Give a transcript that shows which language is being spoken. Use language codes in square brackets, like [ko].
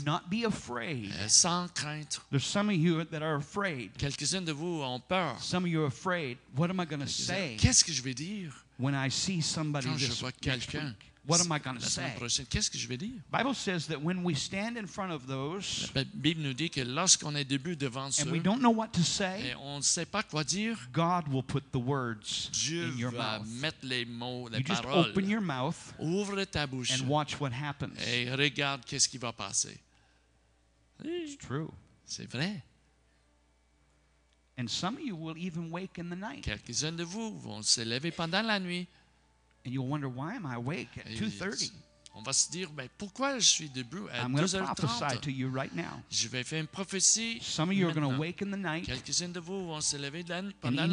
[en] And not be afraid. [fr] Sans crainte. [en] There's some of you that are afraid. [fr] Quelques-uns de vous ont peur. [en] Some of you are afraid. What am I going to say? [fr] Qu'est-ce que je vais dire? [en] When I see somebody [fr] quand [en] this [fr] je vois quelqu'un. [en] Next week. What am I going to say? [fr] Qu'est-ce que je vais dire? [en] Bible says that when we stand in front of those. [fr] La Bible nous dit que lorsqu'on est debout devant ceux. [en] And we don't know what to say. [fr] Et on ne sait pas quoi dire. [en] God will put the words [fr] Dieu [en] in your [fr] va [en] mouth. [fr] Mettre les mots, les [en] you [fr] paroles. [en] Just open your mouth. [fr] Ouvre ta bouche. [en] And watch what happens. [fr] Et regarde qu'est-ce qui va passer. [en] It's true. [fr] C'est vrai. [en] And some of you will even wake in the night. [fr] Quelques-uns de vous vont se lever pendant la nuit. [en] And you'll wonder why am I awake at 2:30? [fr] On va se dire mais pourquoi je suis debout à [en] I'm going to prophesy to you right now. [fr] Je vais faire une prophétie. [en] Some of you are going to wake in the night. [fr] Quelques-uns de vous vont se lever pendant la nuit.